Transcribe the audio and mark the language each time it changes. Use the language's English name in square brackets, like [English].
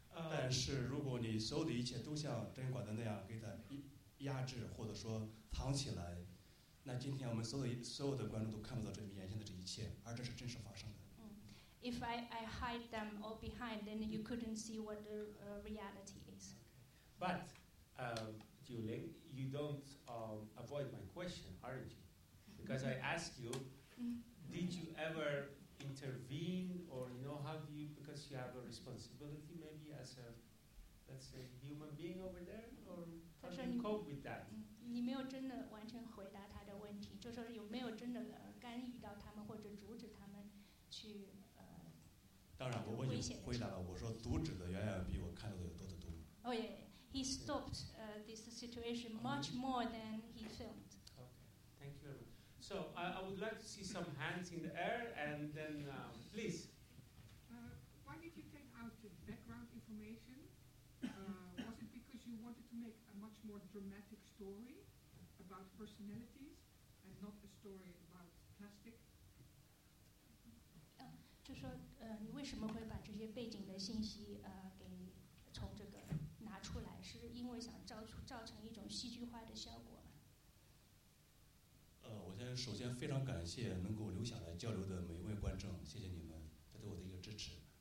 [Chinese] 但是如果你所有的一切都像针管的那样给它压制或者说藏起来，那今天我们所有的观众都看不到这眼前的这一切，而这是真实发生的。 [English] If I hide them all behind, then you couldn't see what the reality is. But. Julian, you don't avoid my question, aren't you? Because I asked you, did you ever intervene, or you know, how do you, because you have a responsibility maybe as a, let's say, human being over there, or how do you cope with that? [Chinese] 你没有真的完全回答他的问题，就说有没有真的干预到他们或者阻止他们去当然我已经回答了，我说阻止的远远比我看到的有多得多。 [English] Oh yeah, he stopped this situation much more than he filmed. Okay, thank you very much. So I would like to see some hands in the air, and then please. Why did you take out the background information? Was it because you wanted to make a much more dramatic story about personalities and not a story about plastic? [Chinese] 就说你为什么会把这些背景的信息给从这个拿出来，是因为想造成一种戏剧化的效果吗？我先首先非常感谢能够留下来交流的每一位观众，谢谢你们对我的一个支持。